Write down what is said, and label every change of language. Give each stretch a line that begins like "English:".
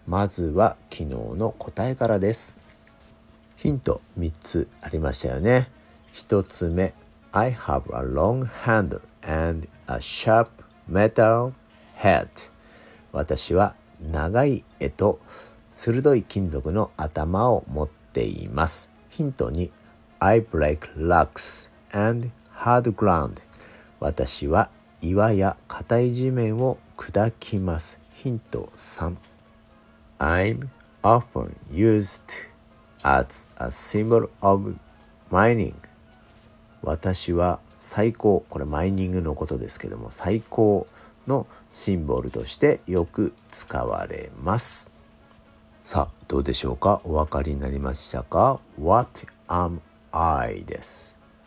Japanese: まずは昨日の答えからです。ヒント3つありましたよね。
English: 1つ目、 I have a long handle and a sharp metal head。
Japanese: 私は長い柄と鋭い金属の頭を持っています。
English: ヒント2、 I break rocks and hard ground。
Japanese: 私は岩や硬い地面を砕きます。
English: ヒント3、 I'm often used as a symbol of mining。
Japanese: 私は最高、これマイニングのことですけども、最高のシンボルとしてよく使われます。さあどうでしょうか、お分かりになりましたか。
English: What am I です。